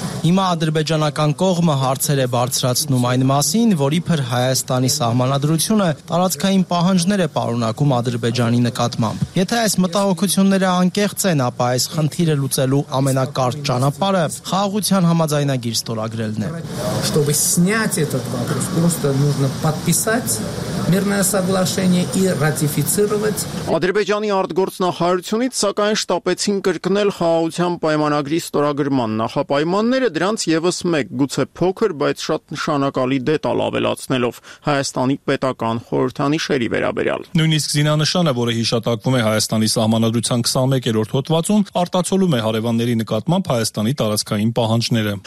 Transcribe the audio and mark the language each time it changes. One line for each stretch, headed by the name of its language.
Armenian: հիմա ադրբեջանական կողմը հարցեր է բարձրացնում այն մասին, որի փր Հայաստանի սահմանադրությունը տարածքային պահանջներ է պարունակում ադրբեջանի նկատմամբ։ Եթե այս մտահոգությունները անկեղծ են, ապա այս խնդիրը լուծելու ամենակարճ ճանապարհը խաղաղության համաձայնագիր ստորագրելն է։
Russian: Чтобы снять этот вопрос, просто нужно подписать мирное соглашение и ратифицировать.
Armenian: Ադրբեջանի արտգործնախարարությունից սակայն շտապեցին կրկնել խաղաղության պայմանագրի ստորագրման նախապայմանները, դրանց եւս մեկ գուցե փոքր, բայց շատ նշանակալի դետալ ավելացնելով Հայաստանի պետական խորհրդանիշերի վերաբերյալ։ Նույնիսկ զինանշանը, որը հիշատակվում է Հայաստանի սահմանադրության 21-րդ հոդվածում, արտացոլում է հարևանների նկատմամբ Հայաստանի տարածքային պահանջները։